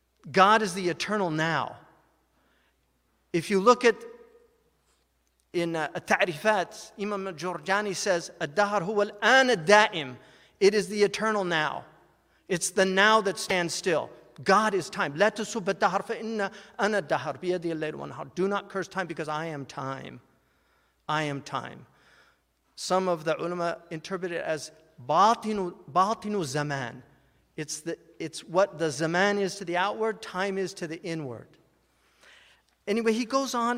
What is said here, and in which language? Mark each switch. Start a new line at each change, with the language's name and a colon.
English: God is the eternal now. If you look at, in At-Ta'rifat, Imam al-Jurjani says,
Arabic: "Ad-dahr huwa al-an ad-da'im."
English: It is the eternal now. It's the now that stands still. God is time.
Arabic: لا تسب الدهر فإن أنا الدهر بيدي الليل والنهار.
English: Do not curse time because I am time. I am time. Some of the ulama interpret it as batinu zaman. It's what the zaman is to the outward, time is to the inward. Anyway, he goes on.